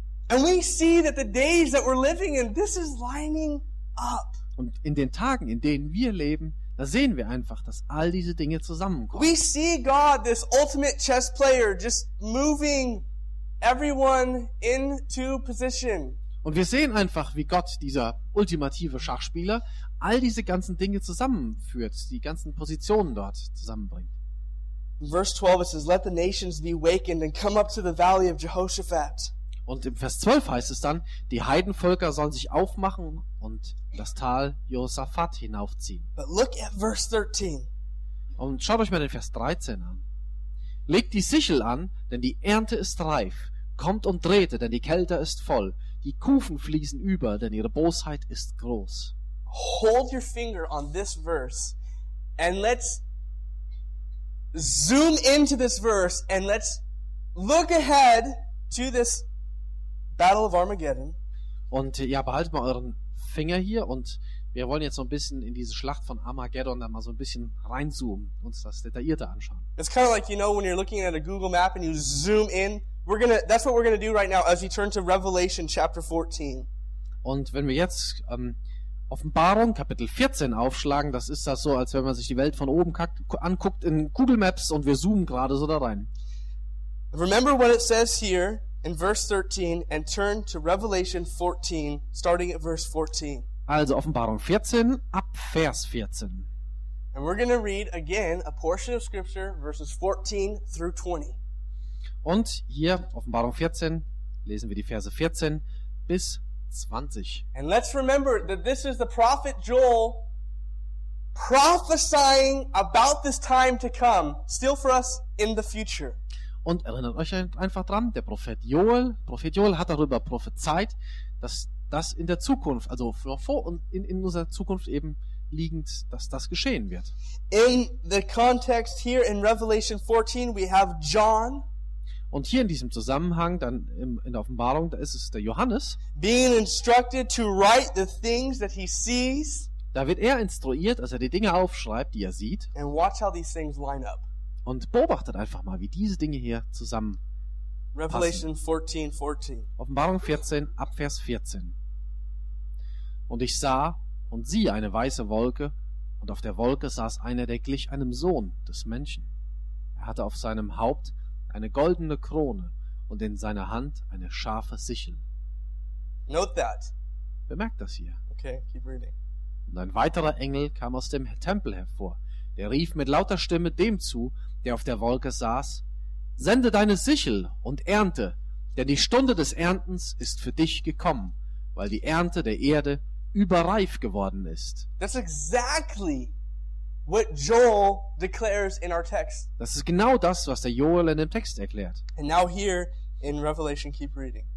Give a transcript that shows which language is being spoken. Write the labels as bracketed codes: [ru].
[en] And we see that the days that we're living in, this is lining up. [de] Und in den Tagen, in denen wir leben, da sehen wir einfach, dass all diese Dinge zusammenkommen. [en] We see God, this ultimate chess player, just moving everyone into position. [de] Und wir sehen einfach, wie Gott, dieser ultimative Schachspieler, all diese ganzen Dinge zusammenführt, die ganzen Positionen dort zusammenbringt. [en] Verse 12, it says, let the nations be wakened and come up to the valley of Jehoshaphat. [de] Und im Vers 12 heißt es dann, die Heidenvölker sollen sich aufmachen und das Tal Jehoshaphat hinaufziehen. [en] But look at verse 13. [de] Und schaut euch mal den Vers 13 an. Legt die Sichel an, denn die Ernte ist reif. Kommt und trete, denn die Kälte ist voll. Die Kufen fließen über, denn ihre Bosheit ist groß. [en] Hold your finger on this verse and let's zoom into this verse and let's look ahead to this Battle of Armageddon. [de] Und ja, behaltet mal euren Finger hier und wir wollen jetzt so ein bisschen in diese Schlacht von Armageddon dann mal so ein bisschen reinzoomen, uns das detaillierter anschauen. [en] It's kind of like, you know, when you're looking at a Google Map and you zoom in, that's what we're gonna do right now as we turn to Revelation chapter 14. [de] Und wenn wir jetzt Offenbarung Kapitel 14 aufschlagen, das ist das so, als wenn man sich die Welt von oben anguckt in Google Maps und wir zoomen gerade so da rein. [en] Remember what it says here in verse 13 and turn to Revelation 14 starting at verse 14. [de] Also Offenbarung 14 ab Vers 14. [en] And we're going to read again a portion of scripture verses 14 through 20. [de] Und hier, Offenbarung 14, lesen wir die Verse 14 bis 20. [en] And let's remember that this is the prophet Joel prophesying about this time to come, still for us in the future. [de] Und erinnert euch einfach dran, der Prophet Joel hat darüber prophezeit, dass das in der Zukunft, also vor und in unserer Zukunft eben liegend, dass das geschehen wird. [en] In the context here in Revelation 14 we have John. [de] Und hier in diesem Zusammenhang dann in der Offenbarung, da ist es der Johannes. [en] Being instructed to write the things that he sees. [de] Da wird er instruiert, also die Dinge aufschreibt, die er sieht. [en] And watch how these things line up. [de] Und beobachtet einfach mal, wie diese Dinge hier zusammen [en] Revelation 14:14. [de] Offenbarung 14, ab Vers 14. Und ich sah und siehe eine weiße Wolke, und auf der Wolke saß einer, der glich einem Sohn des Menschen. Er hatte auf seinem Haupt eine goldene Krone und in seiner Hand eine scharfe Sichel. [en] Note that. [de] Bemerkt das hier. [en] Okay, keep reading. [de] Und ein weiterer Engel kam aus dem Tempel hervor. Der rief mit lauter Stimme dem zu, der auf der Wolke saß: Sende deine Sichel und ernte, denn die Stunde des Erntens ist für dich gekommen, weil die Ernte der Erde überreif geworden ist. [en] That's exactly what Joel declares in our text. [de] Das ist genau das, was der Joel in dem Text erklärt. [en] And now here in Revelation, keep reading.